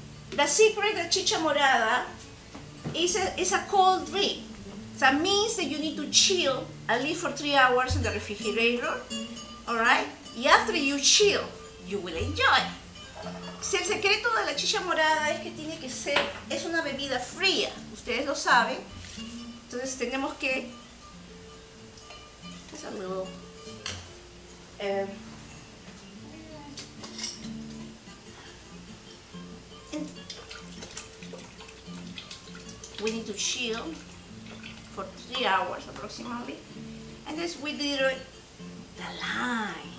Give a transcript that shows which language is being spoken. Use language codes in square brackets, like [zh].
[en] The secret of chicha morada is a cold drink. That means that you need to chill at least for 3 hours in the refrigerator, alright? Y after you chill, you will enjoy. [es] Si el secreto de la chicha morada es que tiene que ser, es una bebida fría, ustedes lo saben. Entonces tenemos que, [en] just a little, we need to chill for 3 hours approximately, and this we did it the lime.